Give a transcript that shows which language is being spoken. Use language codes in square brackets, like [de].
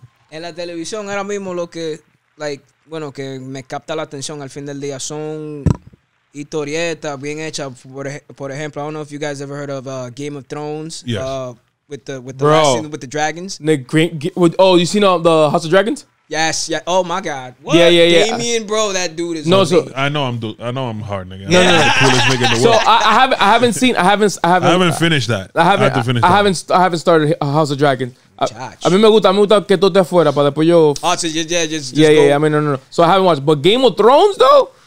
[es] En la televisión, ahora mismo lo que, like, bueno, que me capta la atención al fin del día son historietas bien hechas. Por ejemplo, [en] I don't know if you guys ever heard of Game of Thrones. Yes. With the bro, last season with the dragons. You seen the House of Dragons? Yes. Yeah. Oh my God. What? Yeah, yeah, yeah. Damien, bro, that dude is. No, so, I know I'm hard, nigga. No, I'm the coolest nigga in the world. So I haven't finished that. I haven't started House of Dragons. [es] A mí me gusta que todo esté afuera para después yo. [en] Oh, so just yeah, go. Yeah. I mean, no. So I haven't watched, but Game of Thrones though.